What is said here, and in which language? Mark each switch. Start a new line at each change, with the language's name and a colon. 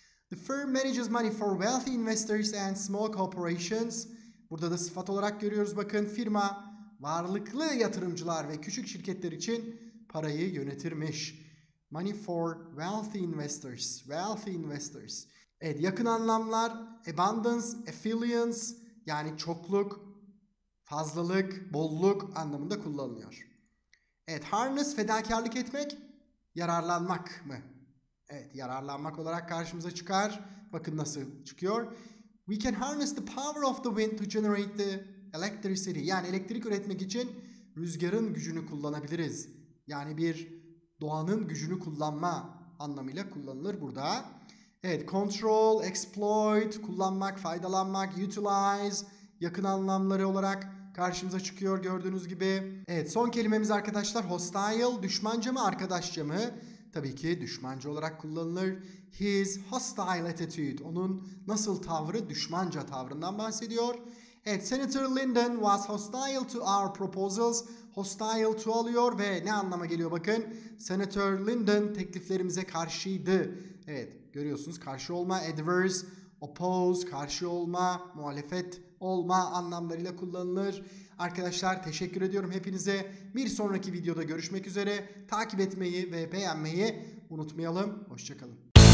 English: The firm manages money for wealthy investors and small corporations.
Turkish: Burada da sıfat olarak görüyoruz bakın. Firma varlıklı yatırımcılar ve küçük şirketler için parayı yönetirmiş.
English: Money for wealthy investors. Wealthy investors.
Turkish: Evet, yakın anlamlar abundance, affluence, yani çokluk, fazlalık, bolluk anlamında kullanılıyor. Evet, harness, fedakarlık etmek, yararlanmak mı? Evet, yararlanmak olarak karşımıza çıkar. Bakın nasıl çıkıyor.
English: We can harness the power of the wind to generate the electricity.
Turkish: Yani elektrik üretmek için rüzgarın gücünü kullanabiliriz. Yani bir doğanın gücünü kullanma anlamıyla kullanılır burada. Evet, control, exploit, kullanmak, faydalanmak, utilize, yakın anlamları olarak karşımıza çıkıyor gördüğünüz gibi. Evet, son kelimemiz arkadaşlar hostile, düşmanca mı arkadaşça mı? Tabii ki düşmanca olarak kullanılır.
English: His hostile attitude,
Turkish: onun nasıl tavrı, düşmanca tavrından bahsediyor. Evet,
English: Senator Lyndon was hostile to our proposals. Hostile to
Turkish: alıyor ve ne anlama geliyor bakın. Senator Lyndon tekliflerimize karşıydı. Evet, görüyorsunuz karşı olma, adverse, oppose, karşı olma, muhalefet olma anlamlarıyla kullanılır. Arkadaşlar teşekkür ediyorum hepinize. Bir sonraki videoda görüşmek üzere. Takip etmeyi ve beğenmeyi unutmayalım. Hoşça kalın.